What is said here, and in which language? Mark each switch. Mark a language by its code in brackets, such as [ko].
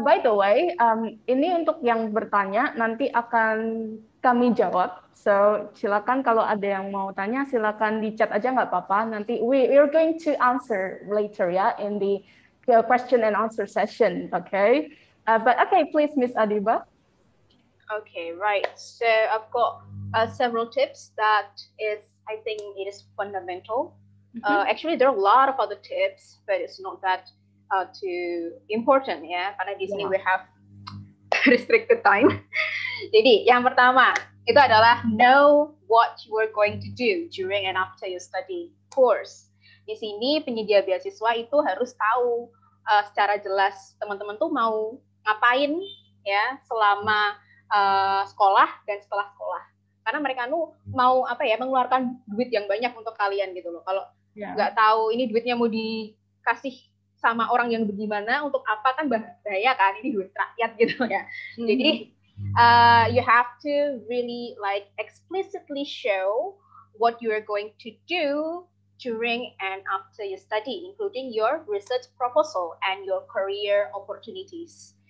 [id] By the way, ini untuk yang bertanya nanti akan kami jawab. So silakan kalau ada yang mau tanya silakan di chat aja nggak apa-apa. [en] Nanti we are going to answer later ya in the question and answer session. Okay. But okay, please Miss Adiba. Okay, right. So I've got several tips that I think is fundamental. Actually, there are a lot of other tips, but it's not that too important, ya. [id] Karena di sini [en] we have restricted time. [id] Jadi, yang pertama itu adalah [en] know what you are going to do during and after your study course. [id] Di sini penyedia beasiswa itu harus tahu secara jelas teman-teman tuh mau ngapain, ya, selama sekolah dan setelah sekolah. Karena mereka tuh mau apa ya, mengeluarkan duit yang banyak untuk kalian gitu loh. Kalau nggak tahu ini duitnya mau dikasih sama orang yang bagaimana, untuk apa, kan bahaya kan, ini duit rakyat gitu ya. [en] Jadi you have to really like explicitly show what you are going to do during and after your study, including your research proposal and your career opportunities.